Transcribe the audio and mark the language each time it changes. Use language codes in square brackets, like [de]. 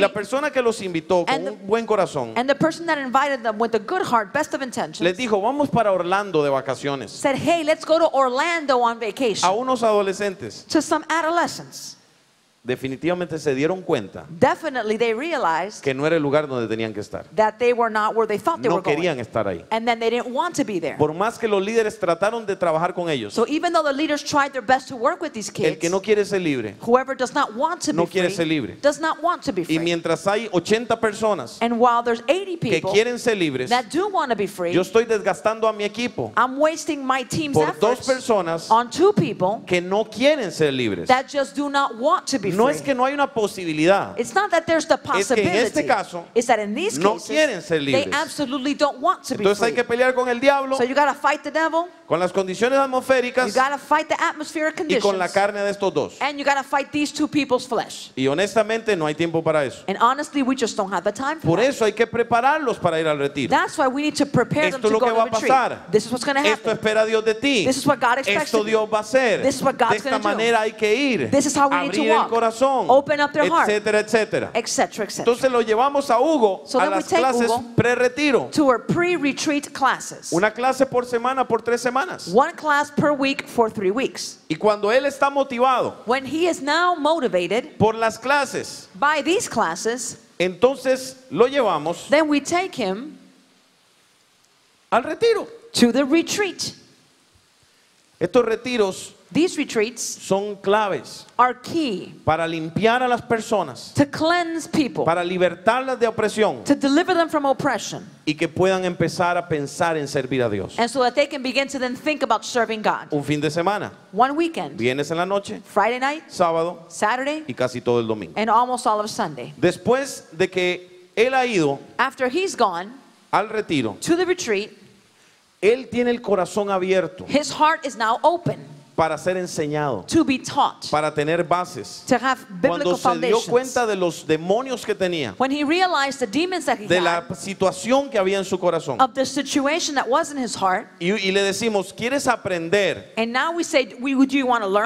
[es] Y la persona que los invitó con un buen corazón. [en] And the person that invited them with a good heart, best of intentions. [es] Les dijo, vamos para Orlando de vacaciones. [en] Said, hey, let's go to Orlando on vacation. [es] A unos adolescentes. [en] To some adolescents. [es] Definitivamente se dieron cuenta. [en] Definitely they realized [es] que no era el lugar donde tenían que estar. [en] That they were not where they thought they [es] no [en] were going. [es] No querían estar ahí. [en] And then they didn't want to be there. [es] Por más que los líderes trataron de trabajar con ellos. [en] So even though the leaders tried their best to work with these kids. [es] El que no quiere ser libre. [en] Whoever does not want to [es] no [en] be free. [es] Ser libre. [en] Does not want to be free. [es] Y mientras hay 80 personas. [en] And while there's 80 people [es] que quieren ser libres. [en] That do want to be free. [es] Yo estoy desgastando a mi equipo. [en] I'm wasting my team's [es] por [en] efforts. [es] Por dos personas. [en] On two people [es] que no quieren ser libres. [en] That just do not want to be free. [es] No es que no hay una posibilidad. [en] It's not that there's the possibility. [es] Es que en este caso, [en] it's that in these [es] no [en] cases, [es] quieren ser libres. [en] They absolutely don't want to be [es] entonces [en] free. [es] Hay que pelear con el diablo. [en] So you gotta fight the devil. [es] Con las condiciones atmosféricas. [en] You gotta fight the atmospheric conditions. [es] Y con la carne de estos dos. [en] And you gotta fight these two people's flesh. [es] Y honestamente no hay tiempo para eso. [en] And honestly we just don't have the time for [es] por [en] that. [es] Eso hay que prepararlos para ir al retiro. [en] That's why we need to prepare [es] esto [en] them to go [es] que va pasar. [en] Retreat. This is what's going to happen. [es] Esto espera Dios de ti. [en] This is what God expects. [es] Esto Dios va a hacer. [en] This is what God's [es] de esta [en] gonna [es] manera [en] do. [es] Hay que ir. [en] This is how we need to walk. [es] Corazón, [en] open up their [es] etcétera, [en] heart, [es] etcétera. Etcétera, etcétera. Entonces lo llevamos a Hugo [en] so [es] a las clases pre-retiro. [en] To our pre-retreat classes. [es] Una clase por semana por tres semanas. [en] One class per week for 3 weeks. [es] Y cuando él está motivado, [en] when he is now motivated, [es] por las clases, [en] by these classes, [es] entonces lo llevamos, [en] then we take him [es] al retiro, [en] to the retreat. [es] Estos retiros, [en] these retreats, [es] son claves, [en] are key, [es] para limpiar a las personas, [en] to cleanse people, [es] para libertarlas de opresión, [en] to deliver them from oppression, [es] y que puedan empezar a pensar en servir a Dios. [en] And so that they can begin to then think about serving God. [es] Un fin de semana, [en] one weekend, [es] viernes en la noche, [en] Friday night, [es] sábado, [en] Saturday, [es] y casi todo el domingo, [en] and almost all of Sunday. [es] Después de que él ha ido, [en] after he's gone, [es] al retiro, [en] to the retreat, [es] él tiene el corazón abierto. [en] His heart is now open. [es] Para ser enseñado. [en] To be taught. [es] Para tener bases. [en] To have biblical foundations. [es] Cuando se dio cuenta de los demonios que tenía. [en] When he realized the demons that he had. [es] De la situación que había en su corazón. [en] Of the situation that was in his heart. [es] Y le decimos, ¿quieres aprender? [en] And now we say, do you want to learn?